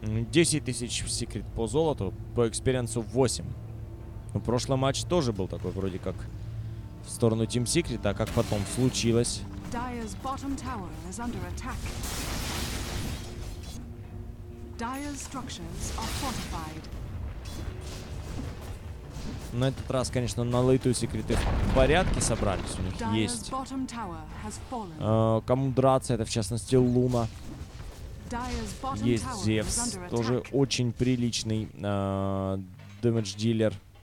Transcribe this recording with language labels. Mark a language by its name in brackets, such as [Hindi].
[Russian] Десять тысяч в секрет по золоту, по экспириенсу 8. Но прошлый матч тоже был такой, вроде как в сторону Team Secret, а как потом случилось. [English] Dire's bottom tower is under attack. Dire's structures are fortified. [Russian] На этот раз, конечно, на лейту секреты в порядке собрались. У них есть. Кому драться, это в частности Луна. Есть Зевс, тоже очень приличный дэмэдж дилер.